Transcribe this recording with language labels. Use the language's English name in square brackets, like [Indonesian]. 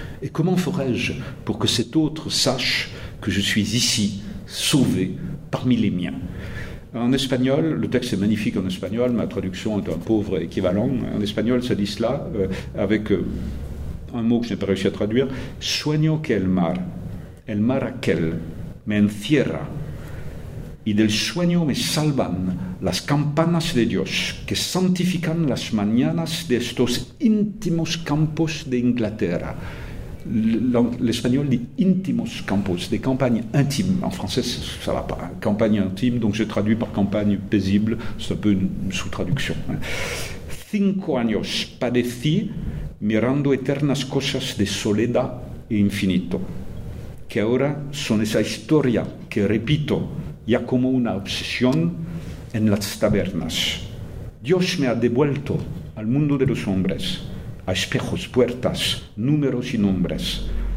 [French] Et comment ferais-je pour que cet autre sache que je suis ici, sauvé, parmi les miens ? En espagnol, le texte est magnifique en espagnol, ma traduction est un pauvre équivalent. En espagnol, ça dit cela avec un mot que je n'ai pas réussi à traduire. [Spanish] « Sueño que el mar ». El mar aquel me encierra y del sueño me salvan las campanas de Dios que santifican las mañanas de estos íntimos campos de Inglaterra. [French] L'espagnol dit « [Spanish] intimos campos [French] », des campagnes intimes. En français, ça ne va pas. Campagne intime, donc j'ai traduit par campagne paisible. C'est un peu une sous-traduction. [Spanish] « 5 años padecí mirando eternas cosas de soledad e infinito. Que ahora son esa historia que repito ya como una obsesión en las tabernas. Dios me ha devuelto al mundo de los hombres, a espejos, puertas, números y nombres.